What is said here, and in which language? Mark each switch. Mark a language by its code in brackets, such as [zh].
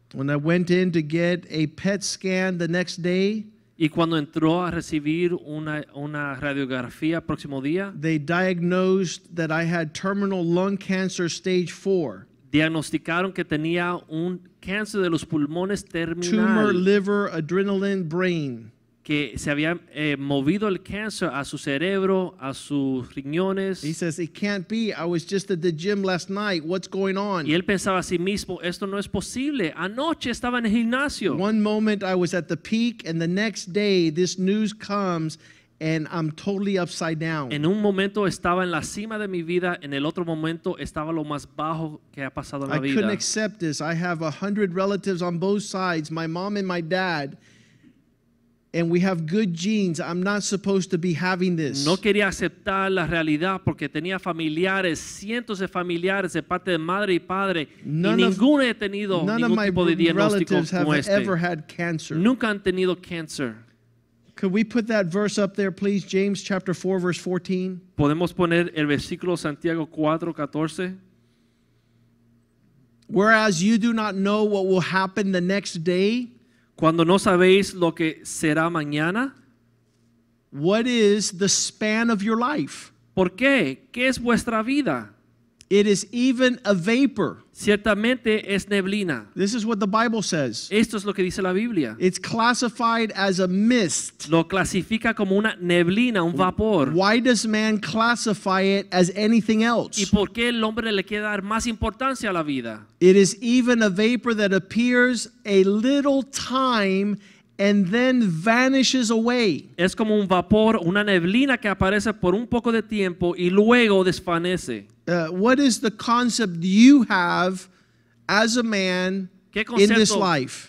[en] When I went in to get a PET scan the next day, [es] y cuando entró a recibir una radiografía próximo día, [en] they diagnosed that I had terminal lung cancer stage 4. [es] Diagnosticaron que tenía un cáncer de los pulmones terminal. [en] Tumor, liver, adrenaline, brain. [es] Que se había movido el cáncer a su cerebro, a sus riñones. [en] He says, it can't be. I was just at the gym last night. What's going on? [es] Y él pensaba a sí mismo, esto no es posible. Anoche estaba en el gimnasio. [en] One moment I was at the peak, and the next day this news comes, And I'm totally upside down. [es] En un momento estaba en la cima de mi vida, en el otro momento estaba lo más bajo que ha pasado en la vida. [en] I couldn't accept this. I have 100 relatives on both sides, my mom and my dad, and we have good genes. I'm not supposed to be having this. [es] No quería aceptar la realidad porque tenía familiares, cientos de familiares de parte de madre y padre, y ninguno he tenido ningún tipo de diagnóstico como este. Nunca han tenido cáncer. [en] Could we put that verse up there, please? James chapter 4, verse 14. [es] ¿Podemos poner el versículo Santiago 4, 14? [en] Whereas you do not know what will happen the next day. [es] Cuando no sabéis lo que será mañana. [en] What is the span of your life? [es] ¿Por qué? ¿Qué es vuestra vida? [en] It is even a vapor. [es] Ciertamente es neblina. [en] This is what the Bible says. [es] Esto es lo que dice la Biblia. [en] It's classified as a mist. [es] Lo clasifica como una neblina, un vapor. [en] Why does man classify it as anything else? [es] ¿Y por qué el hombre le quiere dar más importancia a la vida? [en] It is even a vapor that appears a little time and then vanishes away. [es] Es como un vapor, una neblina que aparece por un poco de tiempo y luego desvanece. [en] What is the concept you have as a man in this life?